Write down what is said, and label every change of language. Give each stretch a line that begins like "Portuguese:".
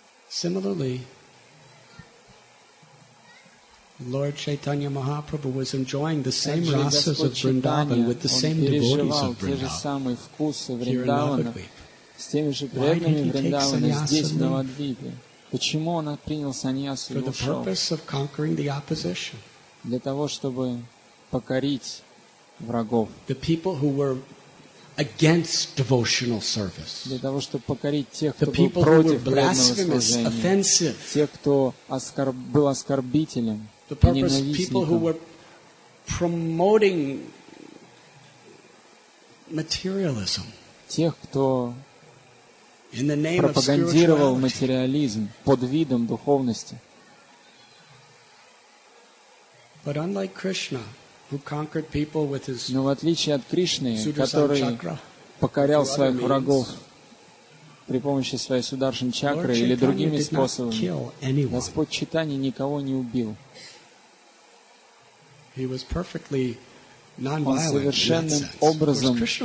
English: Similarly, Lord Chaitanya Mahaprabhu was enjoying the same rasas of Vrindavan with the same devotees of Vrindavan.
Russian: С теми же преданными Вриндавана здесь, в Навадвипе. Почему он принял саньясу?
English: For the purpose of conquering the opposition.
Russian: Для того, чтобы покорить врагов.
English: The people who were against devotional service.
Russian: Для того, чтобы покорить тех, кто был против преданного служения. Тех, кто был оскорбителем.
English: The purpose of people who were promoting materialism.
Russian: Тех, кто пропагандировал материализм под видом духовности.
English: But unlike Krishna, who conquered people with his
Russian: Но в отличие от Кришны, который покорял своих врагов при помощи своей Сударшан чакры или другими способами, Господь Чайтанья никого не убил.
English: He was perfectly non-violent.
Russian: Он совершенным образом